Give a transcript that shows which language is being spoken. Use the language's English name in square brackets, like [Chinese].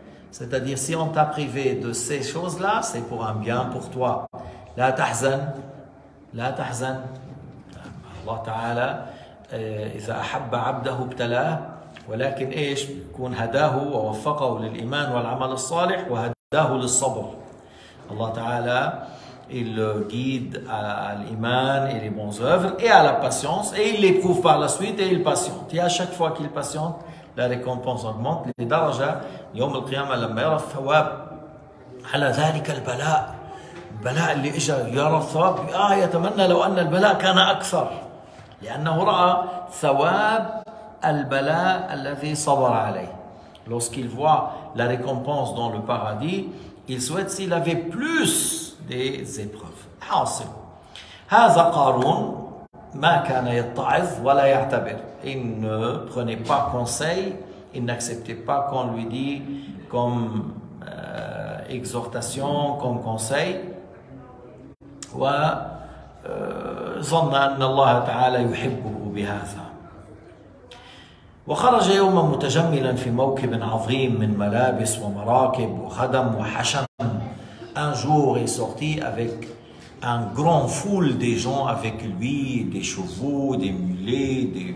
[French] C'est-à-dire, si on t'a privé de ces choses-là, c'est pour un bien pour toi. La tahzan, la tahzan. [Arabic] Allah Ta'ala, إذا أحب عبده ابتلاه ولكن إيش يكون هداه ووفقه للإيمان والعمل الصالح وهداه للصبر. الله تعالى [French] il guide à l'iman et les bonnes œuvres et à la patience et il l'éprouve par la suite et il patiente. Et à chaque fois qu'il patiente, la récompense augmente. [Arabic] Les درجة يوم القيامة لما يرى الثواب على ذلك البلاء البلاء اللي إجا يرى الثواب يتمنى لو أن البلاء كان أكثر لأنه رأى ثواب البلاء الذي صبر عليه. [French] Lorsqu'il voit la récompense dans le paradis, il souhaite s'il avait plus des épreuves. [Arabic] حاصل. هذا قارون ما كان يتعظ ولا يعتبر. [French] Il ne prenait pas conseil, il n'acceptait pas qu'on lui dit comme exhortation, comme conseil. [Arabic] ظن أن الله تعالى يحبه بهذا وخرج يوما متجملا في موكب عظيم من ملابس ومراكب وخدم وحشم [French] un jour il sortit avec un grand foule des gens avec lui des chevaux des mulets